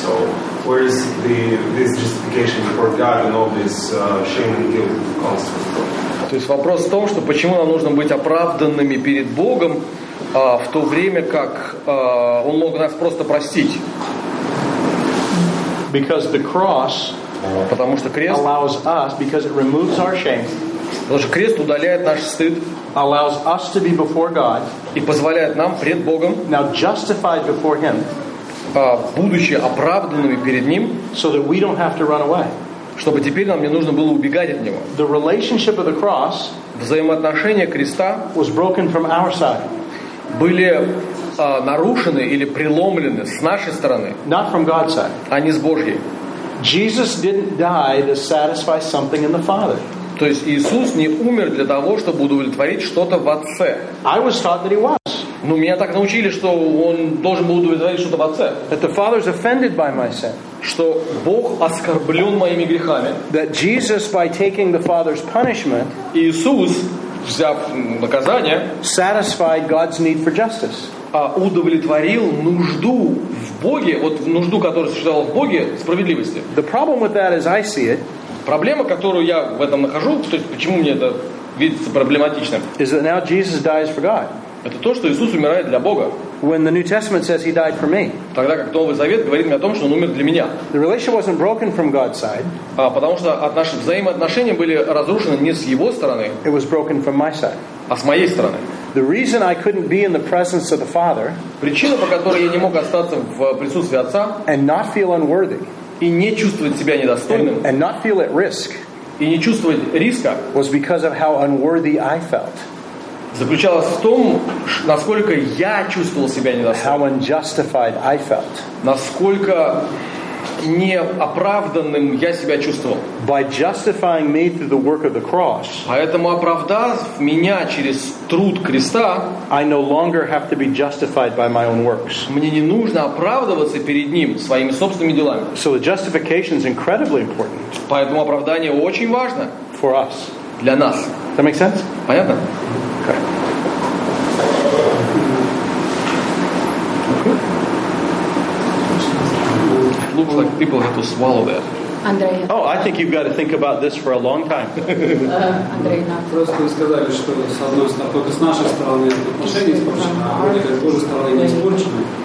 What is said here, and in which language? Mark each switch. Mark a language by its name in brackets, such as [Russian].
[English] So, where is this justification before God and all this shame and guilt comes from? [Russian] То есть вопрос в том, что почему нам нужно быть оправданными перед Богом в то время, как Он мог нас просто простить? [English] Because the cross. [Russian] Потому что крест [English] allows us, because it removes our shame, [Russian] потому что крест удаляет наш стыд, [English] allows us to be before God, [Russian] и позволяет нам пред Богом, [English] now justified before Him, [Russian] будучи оправданными перед Ним, [English] so that we don't have to run away. [Russian] Чтобы теперь нам не нужно было убегать от Него. [English] The relationship of the cross, [Russian] взаимоотношения креста, [English] was broken from our side, [Russian] были нарушены или преломлены с нашей стороны, [English] not from God's side, [Russian] а не с Божьей. [English] Jesus didn't die to satisfy something in the Father. [Russian] То есть Иисус не умер для того, чтобы удовлетворить что-то в Отце. [English] I was taught that he was. [Russian] Но меня так научили, что он должен был удовлетворить что-то в отце. [English] That the Father is offended by my sin. [Russian] Что Бог оскорблен моими грехами. [English] That Jesus, by taking the Father's punishment, [Russian] Иисус, взяв наказание, [English] satisfied God's need for justice. [Russian] Удовлетворил нужду в Боге, вот нужду, которая существовала в Боге, справедливости. [English] The problem with that, as I see it, [Russian] проблема, которую я в этом нахожу, то есть почему мне это видится проблематичным, [English] is that now Jesus dies for God. [Russian] Это то, что Иисус умирает для Бога. [English] When the New Testament says he died for me. [Russian] Тогда как Новый Завет говорит мне о том, что он умер для меня. [English] The relationship wasn't broken from God's side. [Russian] Потому что взаимоотношения были разрушены не с его стороны. [English] It was broken from my side. [Russian] А с моей стороны. [English] The reason I couldn't be in the presence of the Father. [Russian] Причина, по которой я не мог остаться в присутствии Отца. [English] And not feel unworthy. [Russian] И не чувствовать себя недостойным. [English] And not feel at risk. [Russian] И не чувствовать риска. [English] Was because of how unworthy I felt. [Russian] Заключалось в том, насколько я чувствовал себя недостойным. [English] How unjustified I felt. [Russian] Насколько неоправданным я себя чувствовал. [English] By justifying me through the work of the cross. [Russian] Поэтому оправдав меня через труд креста, [English] I no longer have to be justified by my own works. [Russian] Мне не нужно оправдываться перед ним своими собственными делами. [English] So the justification is incredibly important. [Russian] Поэтому оправдание очень важно. [English] For us. [Russian] Для нас. [English] Does that make sense? [Russian] Понятно? [English] Looks like people have to swallow that. [Russian] Андрей. [English] Oh, I think you've got to think about this for a long time. [Russian] Просто вы сказали, что с одной стороны, с нашей стороны отношения испорчены, а с другой стороны не испорчены.